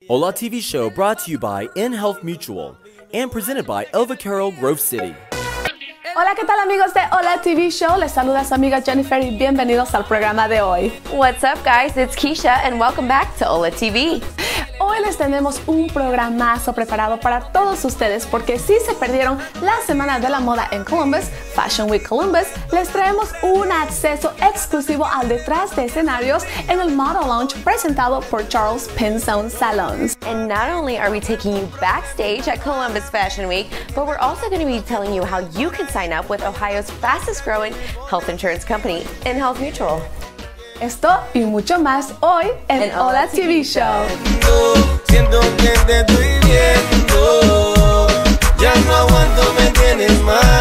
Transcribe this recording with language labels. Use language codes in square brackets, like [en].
[en] Hola TV show brought to you by InHealth Mutual and presented by El Vaquero Grove City. [es] Hola, ¿qué tal amigos de Hola TV Show? Les saluda su amiga Jennifer y bienvenidos al programa de hoy. [en] What's up guys, it's Keisha and welcome back to Hola TV. [es] Hoy les tenemos un programazo preparado para todos ustedes porque si se perdieron la Semana de la Moda en Columbus, Fashion Week Columbus, les traemos un acceso exclusivo al detrás de escenarios en el Model Lounge presentado por Charles Pinzón Salons. [en] And not only are we taking you backstage at Columbus Fashion Week, but we're also going to be telling you how you can sign up with Ohio's fastest growing health insurance company, InHealth Mutual. [es] Esto y mucho más hoy en Hola TV Show. Siento que te estoy viendo, ya no aguanto, me tienes mal.